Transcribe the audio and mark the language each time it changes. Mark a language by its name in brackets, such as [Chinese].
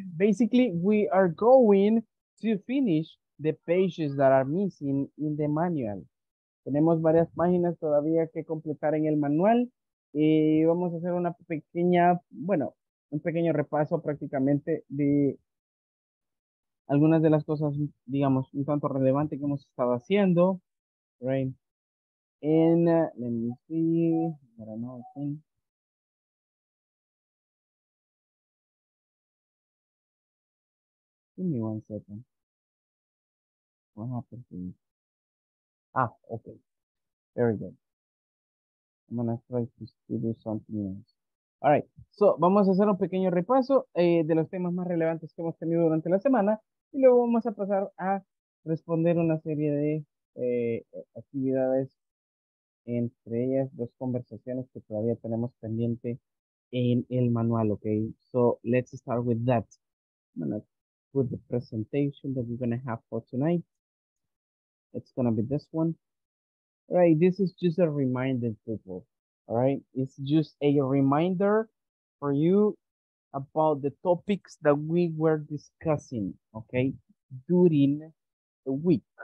[English] Basically, we are going to finish the pages that are missing in the manual. [Spanish] Tenemos varias páginas todavía que completar en el manual. Y vamos a hacer una pequeña, bueno, un pequeño repaso prácticamente de algunas de las cosas, digamos, un tanto relevante que hemos estado haciendo. [English] Right. And let me see. Got another thing. Give me one second. What happened to me? Ah, okay. Very good. I'm gonna try to do something else. [Spanish] All right, so vamos a hacer un pequeño repaso de los temas más relevantes que hemos tenido durante la semana y luego vamos a pasar a responder una serie de actividades, entre ellas dos conversaciones que todavía tenemos pendiente en el manual, okay? [English] So let's start with that. I'm gonna put the presentation that we're gonna have for tonight. It's gonna be this one. All right, this is just a reminder, people. All right, it's just a reminder for you about the topics that we were discussing, okay, during the week.